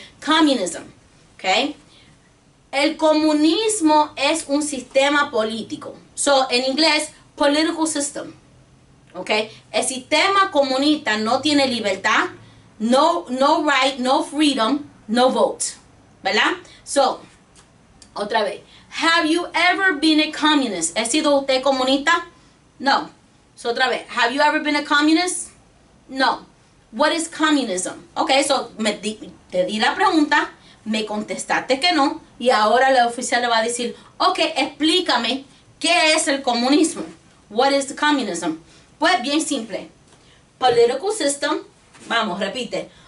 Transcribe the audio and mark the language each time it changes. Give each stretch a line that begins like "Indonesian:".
Spanish: Communism, ¿ok? El comunismo es un sistema político. So, en inglés,
English: political system,
Spanish: ¿ok? El sistema comunista no tiene libertad,
English: no right, no freedom, no vote,
Spanish: ¿verdad?
English: So,
Spanish: otra vez,
English: have you ever been a communist?
Spanish: ¿Ha sido usted comunista? No. So, otra vez,
English: have you ever been a communist? No. What is communism?
Spanish: Ok, so, te di la pregunta, me contestaste que no, y ahora la oficial le va a decir, ok, explícame qué es el comunismo.
English: What is communism?
Spanish: Pues bien simple.
English: Political system,
Spanish: vamos, repite.